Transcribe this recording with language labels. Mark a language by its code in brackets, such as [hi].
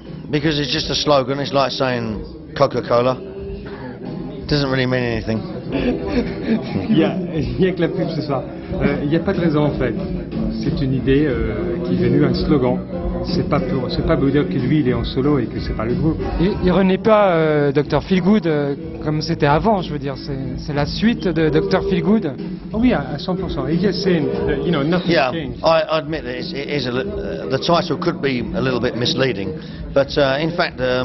[en] Because it's just a slogan. It's like saying Coca-Cola. Doesn't really mean anything. [fr] Yeah, avec la pub ce soir. Il y a pas de raison en fait. C'est une idée qui est venue, un slogan. C'est pas pour dire que lui il est en solo et que c'est pas le groupe. Il renaît pas Dr. Feelgood comme c'était avant, je veux dire. C'est la suite de Dr. Feelgood. Oh oui, à 100%. [en] He's just saying that, you know, nothing changed. Yeah, I admit that the title could be a little bit misleading, but in fact.